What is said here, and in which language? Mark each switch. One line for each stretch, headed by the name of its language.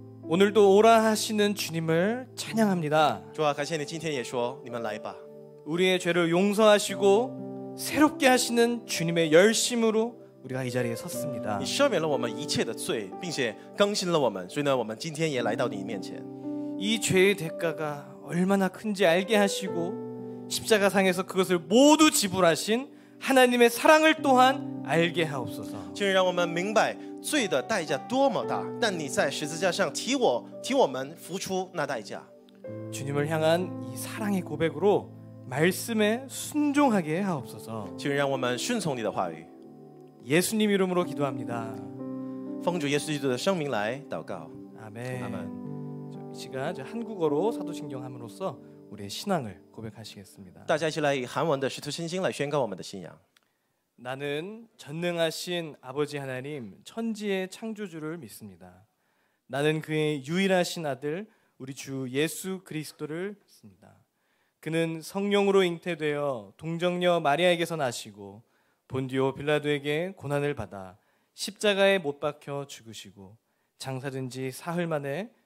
Korean: 오늘도 오라 하시는 주님을 찬양합니다. 좋아, 가시네.
Chinese: 今天也说你们来吧.
Korean: 우리의 죄를 용서하시고 새롭게 하시는 주님의 열심으로 우리가 이 자리에 섰습니다.
Chinese: 你赦免了我们一切的罪，并且更新了我们，所以呢，我们今天也来到你面前.
Korean: 이 죄의 대가가 얼마나 큰지 알게 하시고 십자가 상에서 그것을 모두 지불하신 하나님의 사랑을 또한 알게 하옵소서.
Chinese: 请让我们明白 罪的代价多么大，但你在十字架上替我们付出那代价。
Korean: 주님을 향한 이 사랑의 고백으로 말씀에 순종하게 하옵소서.
Chinese: 请让我们顺从你的话语。
Korean: 예수님 이름으로 기도합니다.
Chinese: 奉主耶稣基督的圣名来祷告。
Korean: 아멘. 이 시간 한국어로 사도신경함으로써 우리의 신앙을 고백하시겠습니다.
Chinese: 大家一起来以韩文的使徒信心来宣告我们的信仰。
Korean: 나는 전능하신 아버지 하나님 천지의 창조주를 믿습니다. 나는 그의 유일하신 아들 우리 주 예수 그리스도를 믿습니다. 그는 성령으로 잉태되어 동정녀 마리아에게서 나시고 본디오 빌라도에게 고난을 받아 십자가에 못 박혀 죽으시고 장사된 지 사흘 만에